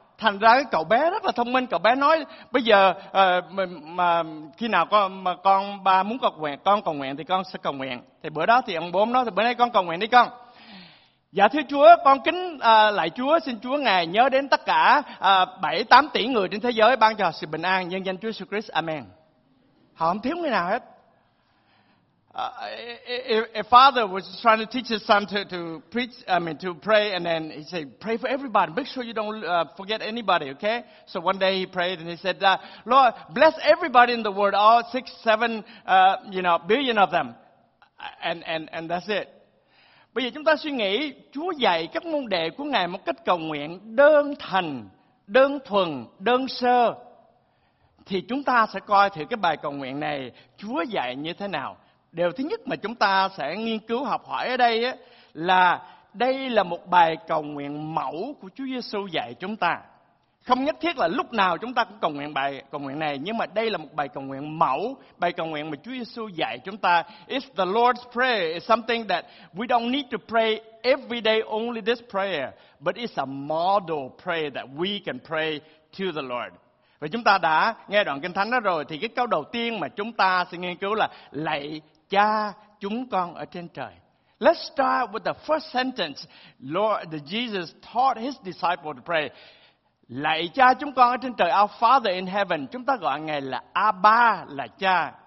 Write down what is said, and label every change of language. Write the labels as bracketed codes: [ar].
[vi] Thành ra cái cậu bé rất là thông minh, cậu bé nói bây giờ mà khi nào con mà con ba muốn cầu nguyện, con cầu nguyện thì con sẽ cầu nguyện. Thì bữa đó thì ông bố nói thì bữa nay con cầu nguyện đi con. Dạ thưa Chúa, con kính lạy Chúa, xin Chúa Ngài nhớ đến tất cả 7-8 tỷ người trên thế giới, ban cho sự bình an, nhân danh Chúa Jesus Christ, Amen. Họ không thiếu người nào hết. [en] A father was trying to teach his son to pray, and then he said, pray for everybody, make sure you don't forget anybody, okay? So one day he prayed and he said, Lord, bless everybody in the world, all 6-7 billion of them, and that's it. [vi] Bây giờ chúng ta suy nghĩ, Chúa dạy các môn đệ của Ngài một cách cầu nguyện đơn thành, đơn thuần, đơn sơ. Thì chúng ta sẽ coi thử cái bài cầu nguyện này, Chúa dạy như thế nào. Điều thứ nhất mà chúng ta sẽ nghiên cứu học hỏi ở đây là đây là một bài cầu nguyện mẫu của Chúa Giê-xu dạy chúng ta. Không nhất thiết là lúc nào chúng ta cũng cầu nguyện bài cầu nguyện này, nhưng mà đây là một bài cầu nguyện mẫu, bài cầu nguyện mà Chúa Giê-xu dạy chúng ta. [en] It's the Lord's Prayer. It's something that we don't need to pray every day only this prayer, but it's a model prayer that we can pray to the Lord. [vi] Và chúng ta đã nghe đoạn Kinh Thánh đó rồi, thì cái câu đầu tiên mà chúng ta sẽ nghiên cứu là lạy Cha chúng con ở trên trời. [en] Let's start with the first sentence. Lord Jesus taught his disciples to pray. [vi] Lạy Cha chúng con ở trên trời, [en] our Father in heaven. [vi] Chúng ta gọi Ngài là Abba, là Cha.